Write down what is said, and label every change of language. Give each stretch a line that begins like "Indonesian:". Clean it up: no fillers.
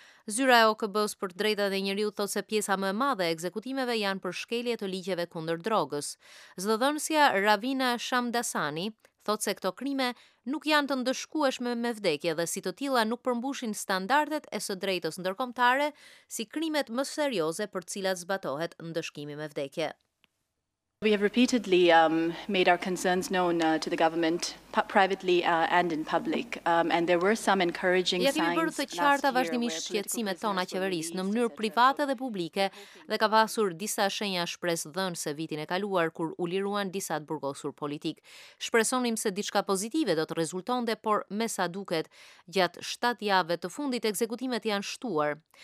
Albanian: Zyra e OKB-s për të drejtat e njeriut thot se pjesa më e madhe e ekzekutimeve janë për shkelje të ligjeve kundër drogës. Zëdhënësja Ravina Shamdasani thot se këto krime nuk janë të ndëshkueshme me vdekje dhe si të tilla nuk përmbushin standardet e së drejtës ndërkombëtare si krimet më serioze për cilat zbatohet ndëshkimi me vdekje.
English: We have repeatedly made our concerns known to the government privately and in public and there were some encouraging signs.
Albanian: Ja kemi bërë të qarta vazhdimisht shqetësimet tona qeverisë në mënyrë private dhe publike dhe ka pasur disa shenja shpresëdhënëse vitin e kaluar kur u liruan disa të burgosur politik. Shpresonim se diçka pozitive do të rezultonte, por me sa duket gjatë 7 javëve të fundit ekzekutimet janë shtuar.